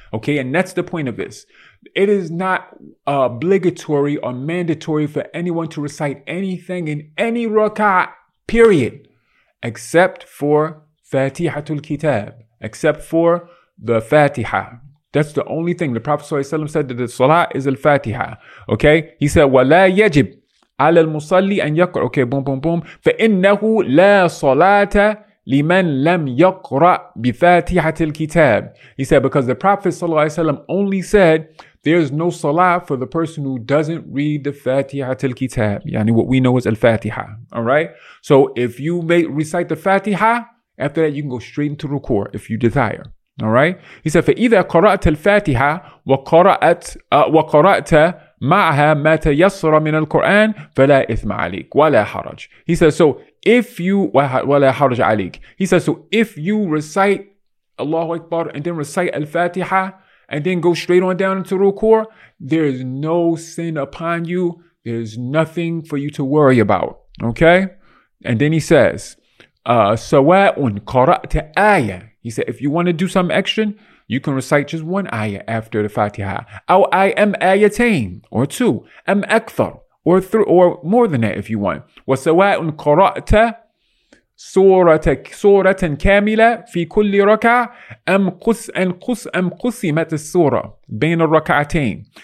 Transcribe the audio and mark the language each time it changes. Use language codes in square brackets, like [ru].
[en] Okay, and that's the point of this. It is not obligatory or mandatory for anyone to recite anything in any rak'ah, period, except for فَاتِحَةُ الْكِتَابِ, except for the Fatiha. That's the only thing. The Prophet ﷺ said that the salah is al-Fatiha. Okay, he said, [ar] وَلَا يَجِبُ على المصلي أن يقرأ. [en] Okay, boom, boom, boom. [ar] فإنه لا صلاة لمن لم يقرأ بفاتحة الكتاب. [en] He said, because the Prophet صلى الله عليه وسلم only said, there's no salah for the person who doesn't read the Fatiha til Kitab. Yani what we know as Al-Fatiha. Alright? So if you may recite the Fatiha, after that you can go straight into rukur if you desire. Alright? He said, [ar] فَإِذَا قَرَأْتَ الْفَاتِحَةَ وَقَرَأْتَ مَعَهَا مَا تَيَسَّرَ مِنَ الْقُرْآنِ فَلَا إِثْمَ عَلَيْكَ وَلَا حَرَجَ. [en] He said, so if you [ar] وَلَا حَرَجَ عَلَيْكَ. [en] He said, so if you recite Allahu Akbar and then recite Al-Fatiha and then go straight on down into rukur, there is no sin upon you. There is nothing for you to worry about. Okay? And then he says, [ar] سَوَاءٌ قَرَأْتَ آيَةٌ. [en] He said, if you want to do some extra, you can recite just one ayah after the Fatiha. [ar] أَوْ أَيَمْ آيَتَيْن. [en] Or two. [ar] أَمْ أَكْثَرُ. [en] Or three, or more than that if you want. [ar] وَسَوَاءٌ قَرَأْتَ سورة كاملة في كل ركعة أم قسمت السورة بين الركعتين.